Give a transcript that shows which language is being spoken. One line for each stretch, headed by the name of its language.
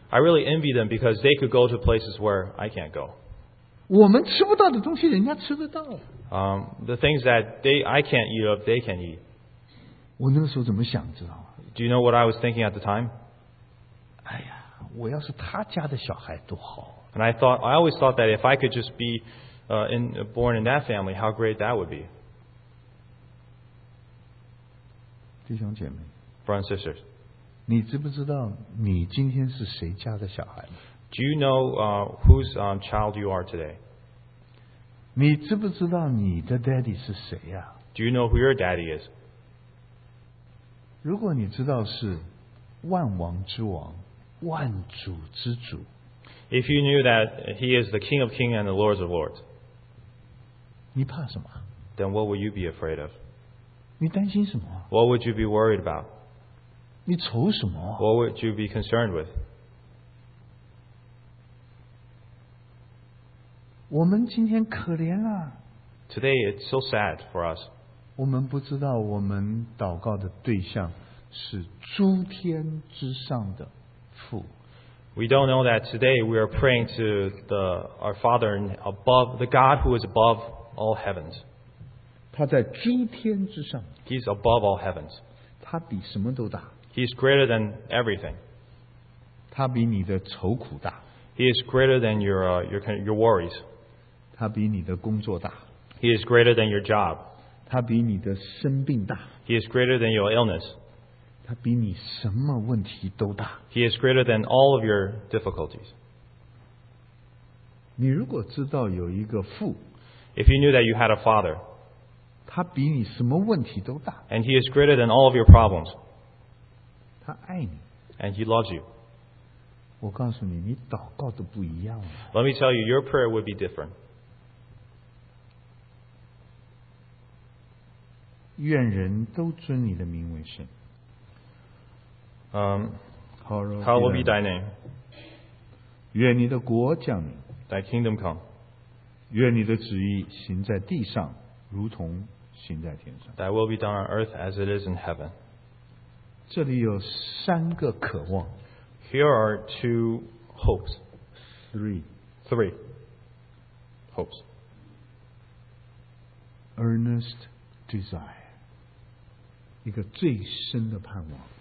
English: I really envy them because they could go to places where I can't go.
Chinese: 我们吃不到的东西，人家吃得到。
English: The things that I can't eat of, they can eat.
Chinese: 我那个时候怎么想，知道吗？
English: Do you know what I was thinking at the time?
Chinese: 哎呀，我要是他家的小孩多好。
English: And I always thought that if I could just be born in that family, how great that would be.
Chinese: 弟兄姐妹
English: Brothers and sisters,
Chinese: 你知不知道你今天是谁家的小孩
English: Do you know whose child you are today?
Chinese: 你知不知道你的 daddy 是谁呀、啊、
English: Do you know who your daddy is?
Chinese: 如果你知道是万王之王万主之主
English: If you knew that he is the king of kings and the lord of lords
Chinese: 你怕什么
English: Then what would you be afraid of?
Chinese: 你担心什么?
English: What would you be worried about?
Chinese: 你愁什么?
English: What would you be concerned with?
Chinese: 我们今天可怜了。
English: Today it's so sad for us.
Chinese: 我们不知道我们祷告的对象是诸天之上的父。
English: We don't know that today we are praying to our Father above the God who is above all heavens.
Chinese: 他在诸天之上。
English: He's above all heavens.
Chinese: 他比什么都大。
English: He's greater than everything.
Chinese: 他比你的愁苦大。
English: He is greater than your worries.
Chinese: 他比你的工作大。
English: He is greater than your job.
Chinese: 他比你的生病大。
English: He is greater than your illness.
Chinese: 他比你什么问题都大。
English: He is greater than all of your difficulties.
Chinese: 你如果知道有一个父，
English: If you knew that you had a father,
Chinese: 他比你什么问题都大。
English: And he is greater than all of your problems.
Chinese: 他爱你。
English: And he loves you.
Chinese: 我告诉你，你祷告都不一样了。
English: Let me tell you, your prayer would be different.
Chinese: 愿人都尊你的名为圣。
English: How will be thy name?
Chinese: 愿你的国降临。
English: Thy kingdom come.
Chinese: 愿你的旨意行在地上，如同行在天上。
English: Thy will be done on earth as it is in heaven.
Chinese: 这里有三个渴望。
English: Here are two hopes. Three hopes. Earnest desire.
Chinese: 一个最深的盼望。